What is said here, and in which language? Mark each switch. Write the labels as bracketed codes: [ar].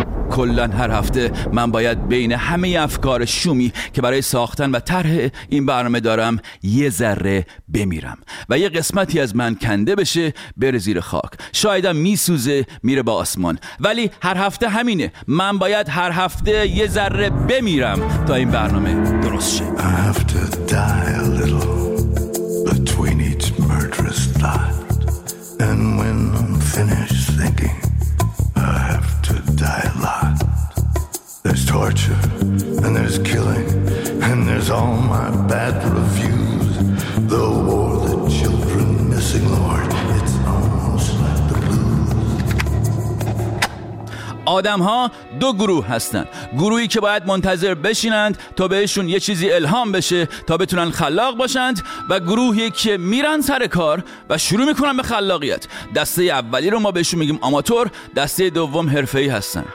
[fa] کلن هر هفته من باید بین همه افکار شومی که برای ساختن و طرح این برنامه دارم یه ذره بمیرم و یه قسمتی از من کنده بشه بره زیر خاک، شایدم میسوزه میره با آسمان. ولی هر هفته همینه، من باید هر هفته یه ذره بمیرم تا این برنامه درست شه. [en] I have to die a little between each murderous thought, and when I'm finished thinking I have to die a lot. There's torture and there's killing and there's all my bad reviews. The war, the children missing, Lord, it's almost like the blues. [fa] آدم ها دو گروه هستن، گروهی که باید منتظر بشینند تا بهشون یه چیزی الهام بشه تا بتونن خلاق باشند، و گروهی که میرن سر کار و شروع میکنن به خلاقیت. دسته اولی رو ما بهشون میگیم آماتور، دسته دوم حرفه‌ای هستن.